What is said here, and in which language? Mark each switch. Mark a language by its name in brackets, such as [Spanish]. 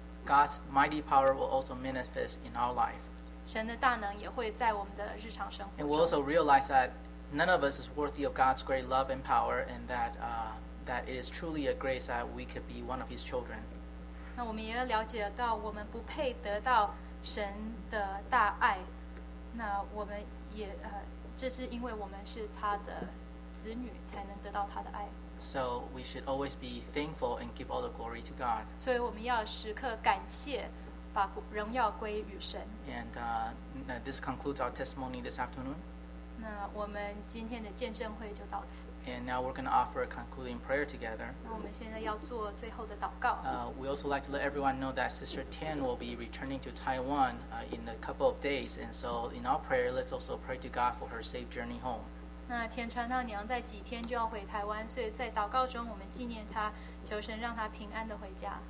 [English] God's mighty power will also manifest in our life. [Chinese] 神的大能也会在我们的日常生活中。 [English] And we'll also realize that none of us is worthy of God's great love and power, and that it is truly a grace that we could be one of His children. [Chinese] 那我们也了解到，我们不配得到神的大爱。那我们也这是因为我们是他的子女，才能得到他的爱。 [English] So we should always be thankful and give all the glory to God. [Chinese] 所以我们要时刻感谢，把荣耀归于神。 [English] And this concludes our testimony this afternoon. [Chinese] 那我们今天的见证会就到此。 [English] And now we're going to offer a concluding prayer together. [Chinese] 那我们现在要做最后的祷告。 [English] We also like to let everyone know that Sister Tian will be returning to Taiwan in a couple of days. And so in our prayer, let's also pray to God for her safe journey home. [Chinese] 那天传道娘在几天就要回台湾，所以在祷告中，我们纪念她，求神让她平安的回家。